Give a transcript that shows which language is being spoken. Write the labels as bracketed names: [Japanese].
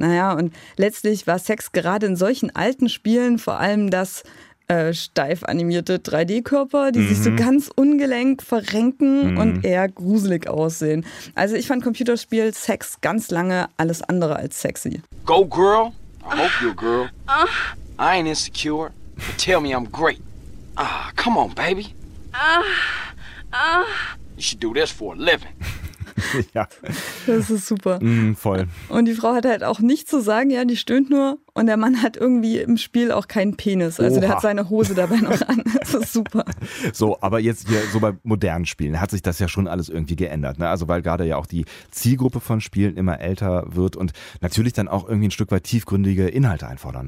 [German] Naja, und letztlich war Sex gerade in solchen alten Spielen vor allem das steif animierte 3D-Körper, die sich so ganz ungelenk verrenken und eher gruselig aussehen. Also ich fand Computerspiel Sex ganz lange alles andere als sexy. [English] Go girl, I hope you're a girl. I ain't insecure, but tell me I'm great. Ah, come on baby. You should do this for a living. [German] Ja. Das ist super. Voll. Und die Frau hat halt auch nichts zu sagen, ja, die stöhnt nur. Und der Mann hat irgendwie im Spiel auch keinen Penis. Also Oha. Der hat seine Hose dabei noch an. Das ist super. So, aber jetzt hier so bei modernen Spielen hat sich das ja schon alles irgendwie geändert. Ne? Also weil gerade ja auch die Zielgruppe von Spielen immer älter wird und natürlich dann auch irgendwie ein Stück weit tiefgründige Inhalte einfordern.